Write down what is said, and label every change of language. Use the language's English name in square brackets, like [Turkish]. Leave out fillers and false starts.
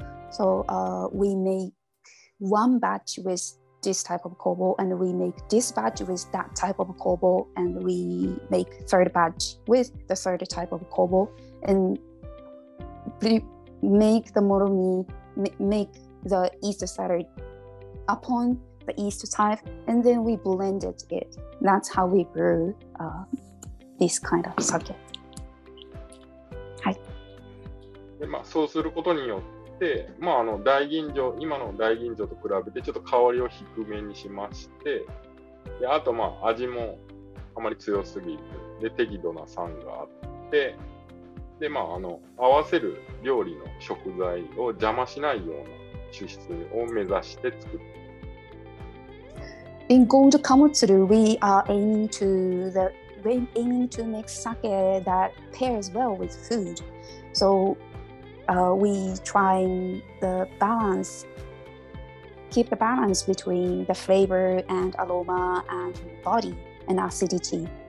[English] So, we make one batch with this type of kobo, and we make this batch with that type of kobo, and we make third batch with the third type of kobo, and make the model make the yeast starter upon. The yeast type, and then we blended it. That's how we brew this kind of sake. [Japanese] はい。で、そうすることによって、大吟醸、今の大吟醸と比べてちょっと香りを低めにしまして、であと味もあまり強すぎず、で適度な酸があって、で合わせる料理の食材を邪魔しないような抽出を目指して作って。 [English] In Gold Kamotsuru, we are aiming to make sake that pairs well with food. So we try the balance, keep the balance between the flavor and aroma and body and acidity.